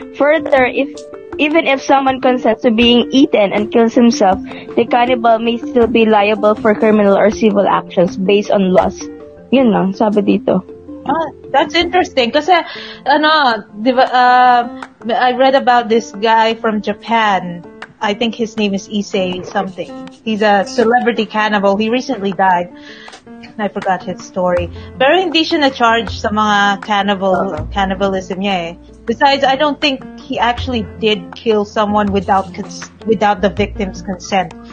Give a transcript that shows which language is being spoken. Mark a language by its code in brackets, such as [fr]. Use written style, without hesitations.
[en] Further, even if someone consents to being eaten and kills himself, the cannibal may still be liable for criminal or civil actions based on laws. [tl] Yun lang, sabi dito. [en] That's interesting. Kasi, I read about this guy from Japan. I think his name is Issei something. He's a celebrity cannibal. He recently died. I forgot his story. [tl] Pero hindi siya na-charge sa mga cannibalism niya eh. [en] Besides, I don't think he actually did kill someone without the victim's consent.